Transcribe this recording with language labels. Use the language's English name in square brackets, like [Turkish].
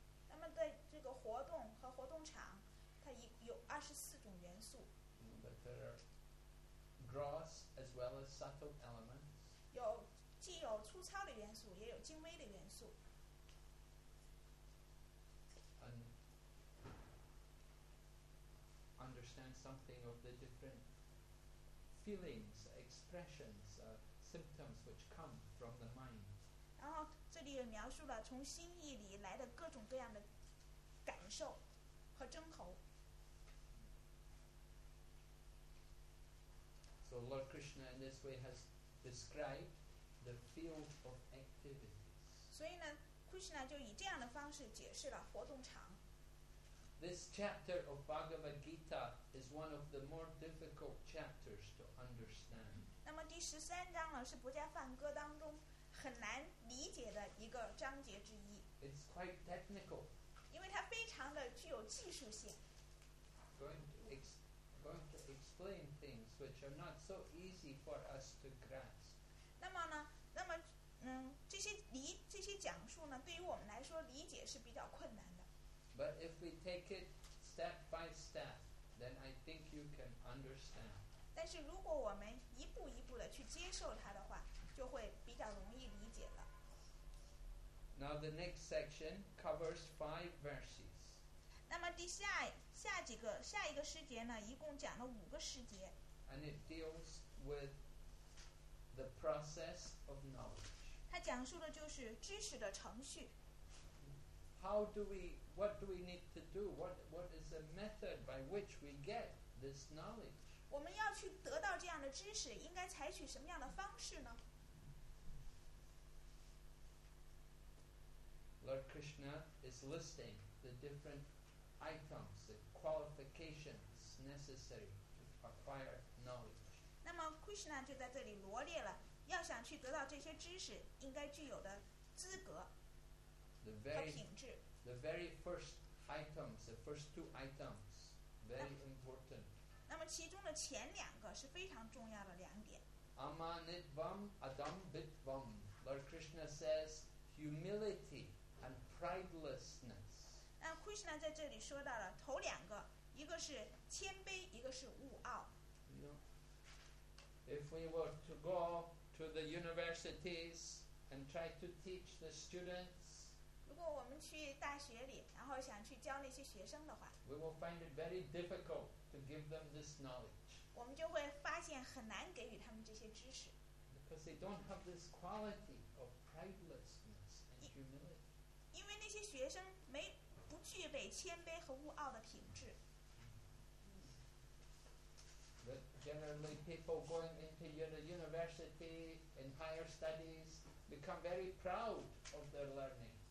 [Chinese] 那么在这个活动和活动场，它有二十四种元素。 [English] But there are gross as well as subtle elements. [Chinese] 有既有粗糙的元素，也有精微的元素。 [English] And understand something of the different feelings, expressions, symptoms which come from the mind. [Chinese] 然后这里也描述了从心意里来的各种各样的感受和征候。 [English] So Lord Krishna in this way has described the field of activities. [Chinese] 所以呢 ，Krishna 就以这样的方式解释了活动场。 [English] This chapter of Bhagavad Gita is one of the more difficult chapters to understand. [Chinese] 那么第十三章呢，是博迦梵歌当中。很难理解的一个章节之一。 [English] It's quite technical. [Chinese] 因为它非常的具有技术性。 [English] Going to explain things which are not so easy for us to grasp. [Chinese] 那么，这些讲述呢，对于我们来说理解是比较困难的。 [English] But if we take it step by step, then I think you can understand. [Chinese] 但是如果我们一步一步的去接受它的话。就会比较容易理解了。 [English] Now the next section covers 5 verses. [Chinese] 那么第下一个诗节呢，一共讲了五个诗节。 [English] And it deals with the process of knowledge. [Chinese] 它讲述的就是知识的程序。 [English] How do we? What do we need to do? What is the method by which we get this knowledge? [Chinese] 我们要去得到这样的知识，应该采取什么样的方式呢？ [English] Lord Krishna is listing the different items, the qualifications necessary to acquire knowledge. [Chinese] 那么 Krishna 就在这里罗列了，要想去得到这些知识，应该具有的资格和品质。 [English] The very first items, the first two items, very important. [Chinese] 那么其中的前两个是非常重要的两点。 [Sanskrit] Amanitvam adambitvam. [English] Lord Krishna says humility. And pridelessness. [Chinese] 那 Krishna 在这里说到了头两个，一个是谦卑，一个是骄傲。 [English] You know, if we were to go to the universities and try to teach the students, we will find it very difficult to give them this knowledge. Because they don't have this quality of pridelessness and humility. [Chinese] 因为那些学生不具备谦卑和骄傲的品质。 [English] But generally people going into university and higher studies become very proud of their learning.